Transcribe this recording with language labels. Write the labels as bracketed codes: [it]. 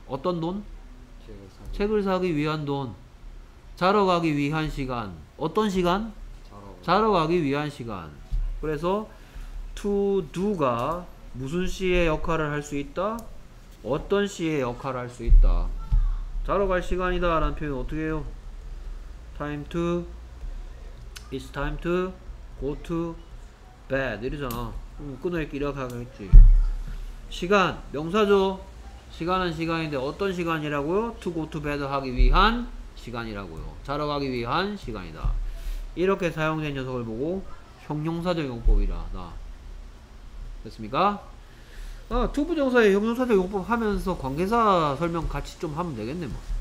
[ko] 어떤 돈? 책을 사기 위한 돈. 자러 가기 위한 시간. 어떤 시간? 자러 가기 위한 시간. 그래서 to do가 무슨 시의 역할을 할 수 있다? 어떤 시의 역할을 할 수 있다? 자러 갈 시간이다 라는 표현 어떻게 해요? [en] time to, it's time to go to bed [ko] 이러잖아. 끊을게 이렇게 하겠지. 시간, 명사죠? 시간은 시간인데 어떤 시간이라고요? [en] to go to bed [ko] 하기 위한 시간이라고요. 자러 가기 위한 시간이다. 이렇게 사용된 녀석을 보고 형용사적용법이라 하다. 됐습니까? 아, 투부정사의 형용사적용법 하면서 관계사 설명 같이 좀 하면 되겠네 뭐.